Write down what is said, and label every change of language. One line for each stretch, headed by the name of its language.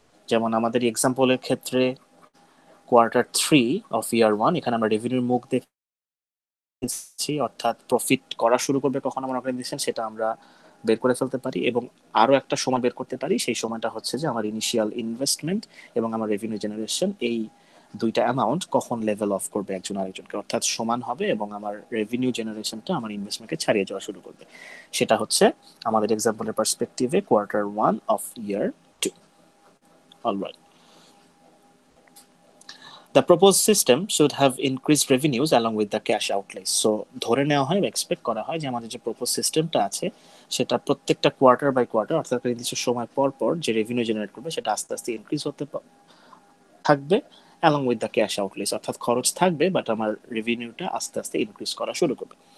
Bangla: যেমন আমাদের এক্সাম্পলের ক্ষেত্রে quarter three of year one, এখানে আমরা রেভিনিউর মুখ দেখ অর্থাৎ প্রফিট করা শুরু করবে কখন আমার অর্গানাইজেশন সেটা আমরা বের করে ফেলতে পারি, এবং আরও একটা সময় বের করতে পারি, সেই সময়টা হচ্ছে যে আমার ইনিশিয়াল ইনভেস্টমেন্ট এবং আমার রেভিনিউ জেনারেশন এই দুইটা অ্যামাউন্ট কখন লেভেল অফ করবে একজন আরেকজনকে, অর্থাৎ সমান হবে এবং আমার রেভিনিউ জেনারেশনটা আমার ইনভেস্টমেন্টকে ছাড়িয়ে যাওয়া শুরু করবে। সেটা হচ্ছে আমাদের এক্সাম্পলের পার্সপেক্টিভে quarter one of year two.
English: Alright, the proposed system should have increased revenues along with the cash outlay.
Bangla: So ধরে নেওয়া হয় বা এক্সপেক্ট করা হয় যে আমাদের যে proposed সিস্টেমটা আছে সেটা প্রত্যেকটা কোয়ার্টার বাই কোয়ার্টার, অর্থাৎ নির্দিষ্ট সময় পর পর যে রেভিনিউ জেনারেট করবে সেটা আস্তে আস্তে ইনক্রিজ হতে থাকবে
English: along with the cash outlays,
Bangla: অর্থাৎ খরচ থাকবে বাট আমার রেভিনিউটা আস্তে আস্তে ইনক্রিজ করা শুরু করবে।